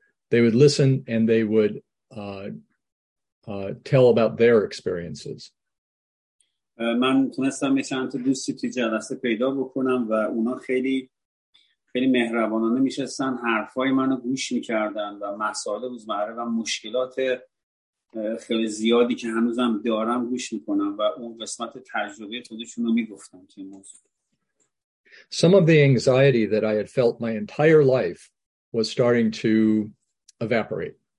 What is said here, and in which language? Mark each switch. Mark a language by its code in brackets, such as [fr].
[en] They would listen and they would tell about their experiences. [fa] من تونستم چند تا دوستی توی جلسه پیدا بکنم و اونا خیلی خیلی مهربانانه میشستن، حرفای منو گوش میکردن و مسائل روزمره و مشکلات خیلی زیادی که هنوزم دارم گوش میکنم و اون قسمت تجربه خودشونو میگفتن که موضوع. [en] Some of the anxiety that I had felt my entire life was starting to evaporate.